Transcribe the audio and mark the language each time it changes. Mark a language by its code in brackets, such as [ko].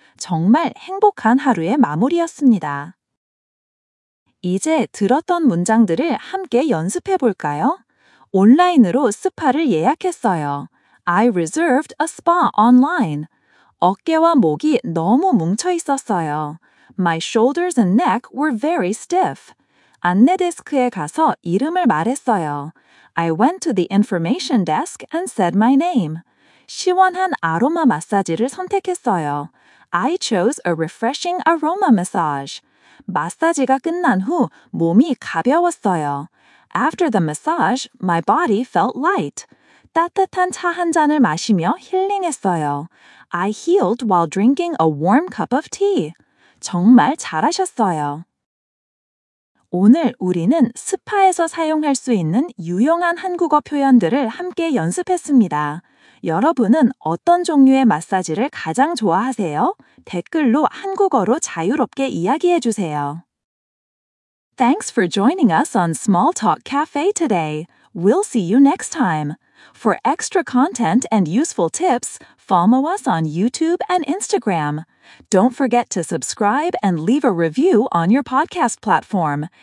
[ko] 정말 행복한 하루의 마무리였습니다. 이제 들었던 문장들을 함께 연습해 볼까요? 온라인으로 스파를 예약했어요. [en] I reserved a spa online. [ko] 어깨와 목이 너무 뭉쳐 있었어요. [en] My shoulders and neck were very stiff. [ko] 안내데스크에 가서 이름을 말했어요. [en] I went to the information desk and said my name. [ko] 시원한 아로마 마사지를 선택했어요. [en] I chose a refreshing aroma massage. [ko] 마사지가 끝난 후 몸이 가벼웠어요. [en] After the massage, my body felt light. [ko] 따뜻한 차 한 잔을 마시며 힐링했어요. [en] I healed while drinking a warm cup of tea. [ko] 정말 잘하셨어요. 오늘 우리는 스파에서 사용할 수 있는 유용한 한국어 표현들을 함께 연습했습니다. 여러분은 어떤 종류의 마사지를 가장 좋아하세요? 댓글로 한국어로 자유롭게 이야기해 주세요. [en] Thanks for joining us on Small Talk Cafe today. We'll see you next time. For extra content and useful tips, follow us on YouTube and Instagram. Don't forget to subscribe and leave a review on your podcast platform.